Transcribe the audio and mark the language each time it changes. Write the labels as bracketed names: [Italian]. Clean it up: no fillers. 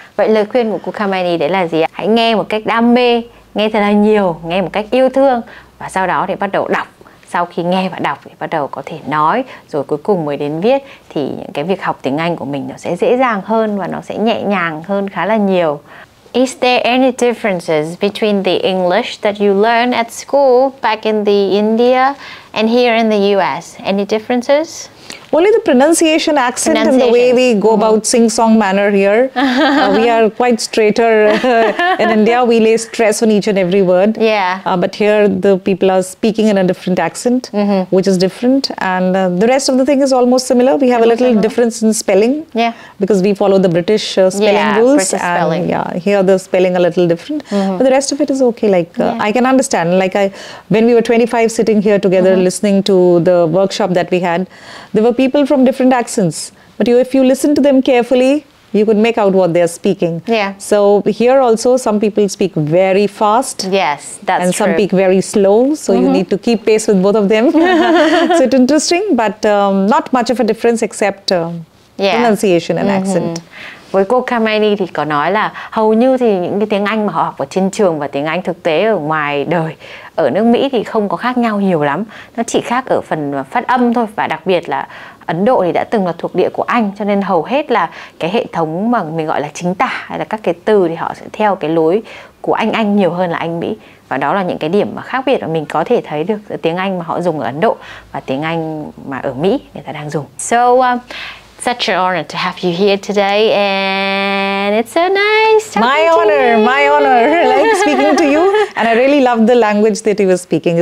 [Vietnamese] Vậy lời khuyên của cô Kamayani đấy là gì ạ? Hãy nghe một cách đam mê, nghe thật là nhiều, nghe một cách yêu thương và sau đó thì bắt đầu đọc. Sau khi nghe và đọc thì bắt đầu có thể nói, rồi cuối cùng mới đến viết, thì những cái việc học tiếng Anh của mình nó sẽ dễ dàng hơn và nó sẽ nhẹ nhàng hơn khá là nhiều. [English] Is there any differences between the English that you learn at school back in the India and here in the US? Any differences? Only the pronunciation, accent, pronunciation. And the way we go about mm-hmm. sing-song manner here. We are quite straighter. In India, we lay stress on each and every word. Yeah. But here, the people are speaking in a different accent, mm-hmm. which is different. And the rest of the thing is almost similar. We have a little difference in spelling. Yeah. Because we follow the British spelling rules. British spelling. And yeah, here the spelling a little different. Mm-hmm. But the rest of it is okay. Like, I can understand. Like, when we were 25 sitting here together, mm-hmm. listening to the workshop that we had, there were people from different accents, but if you listen to them carefully, you could make out what they are speaking. Yeah. So here also, some people speak very fast. Yes, that's true. And some speak very slow, so mm-hmm. you need to keep pace with both of them. So it's interesting, but not much of a difference except pronunciation and mm-hmm. accent. [Vietnamese] Với cô Kamayani thì có nói là hầu như thì những cái tiếng Anh mà họ học ở trên trường và tiếng Anh thực tế ở ngoài đời ở nước Mỹ thì không có khác nhau nhiều lắm. Nó chỉ khác ở phần phát âm thôi, và đặc biệt là Ấn Độ thì đã từng là thuộc địa của Anh, cho nên hầu hết là cái hệ thống mà mình gọi là chính tả hay là các cái từ thì họ sẽ theo cái lối của Anh nhiều hơn là Anh Mỹ. Và đó là những cái điểm mà khác biệt mà mình có thể thấy được giữa tiếng Anh mà họ dùng ở Ấn Độ và tiếng Anh mà ở Mỹ người ta đang dùng. [English] So such an honor to have you here today, and it's so nice. My honor, my honor. Like speaking to you, and I really love the language that you were speaking.